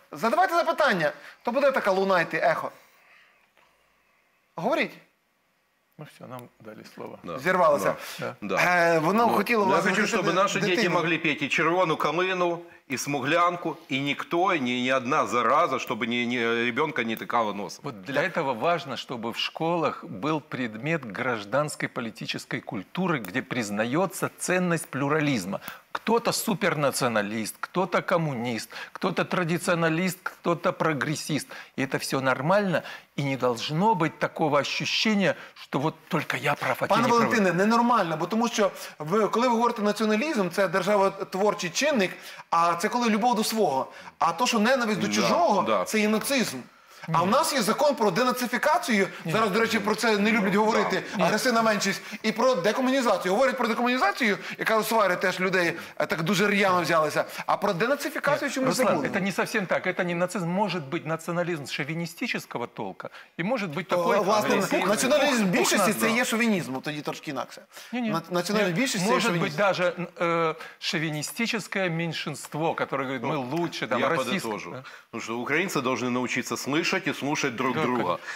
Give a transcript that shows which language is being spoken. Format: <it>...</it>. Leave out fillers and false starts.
<uk>Задавайте запитання, то буде така луна йти, ехо. Говорить. Ну все, нам дали слово. Да. Зірвалося. Да. Воно хотіло вас. Я хочу, щоб наші дитину. Діти могли піти «Червону калину», і «Смуглянку», і ніхто, ні одна зараза, щоб ні ребенка не тикало носом.</uk> <ru>От для этого важно,</ru> <uk>щоб в школах був предмет</uk> <ru>гражданской политической культуры, где признается ценность плюрализма. Кто-то супернационалист, кто-то коммунист, кто-то традиционалист, кто-то прогрессист. И это все нормально, и не должно быть такого ощущения, что вот только я прав, а ты не прав. Пане Валентине, ненормально, потому что, когда вы говорите национализм, это</ru> <uk>державотворчий чинник,</uk> <ru>а это когда любовь до своего. А то, что ненависть до чужого, это да. Нацизм.</ru> <uk>А ні. У нас є закон про денацифікацію, зараз, до речі, про це не люблять говорити, агресивна меншість, і про декомунізацію. Говорять про декомунізацію, яка у сварі теж людей так дуже р'яно взялися, а про денацифікацію чому Руслан, забули? Це не зовсім так, це не нацизм, може бути націоналізм шовіністичного толка, і може бути такий... Власне, націоналізм більшості – це є шовінізм, тоді трошки інакше. Національна більшість – це шовінізм. Може бути навіть шовіністичне меншинство, яке говорить, ми краще, там, російське.</uk> <ru>Ну, что украинцы должны научиться слышать и слушать друг друга.</ru>